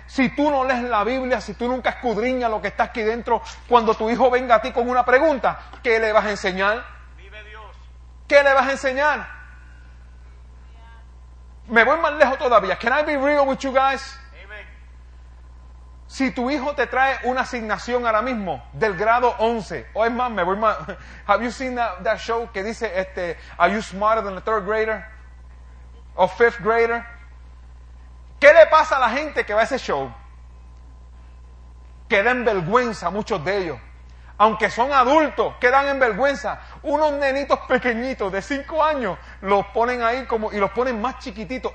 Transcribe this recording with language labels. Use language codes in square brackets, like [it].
[es] Si tú no lees la Biblia, si tú nunca escudriñas lo que está aquí dentro, cuando tu hijo venga a ti con una pregunta, ¿qué le vas a enseñar? Vive Dios. ¿Qué le vas a enseñar? Me voy más lejos todavía. [en] Can I be real with you guys? [es] Si tu hijo te trae una asignación ahora mismo del grado 11, o es más, me voy más. [en] Have you seen that show [es] que dice, [en] are you smarter than a third grader? O fifth grader? [es] ¿Qué le pasa a la gente que va a ese show? Queda en vergüenza muchos de ellos. Aunque son adultos, quedan en vergüenza. Unos nenitos pequeñitos de 5 años los ponen ahí como y los ponen más chiquititos.